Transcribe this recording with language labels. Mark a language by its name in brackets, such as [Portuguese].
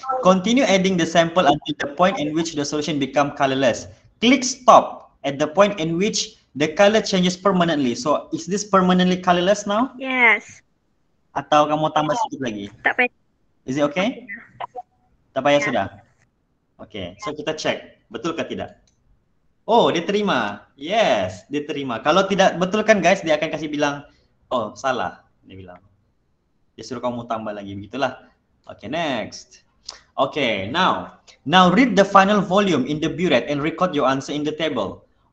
[English] Continue adding the sample until the point in which the solution become colorless. Click stop at the point in which the color changes permanently. So, is this permanently colorless now? Yes. [Malay] Atau kamu tambah sedikit lagi? Tak payah. [English] Is it okay? [Malay] Tak payah sudah? Okay, so kita check. Betul ke tidak? Oh, dia terima. Yes, dia terima. Kalau tidak betul kan guys, dia akan kasih bilang, oh, salah. Dia bilang. Dia suruh kamu tambah lagi. Begitulah. Okay, next. [English] Okay, now read the final volume in the burette and record your answer in the table.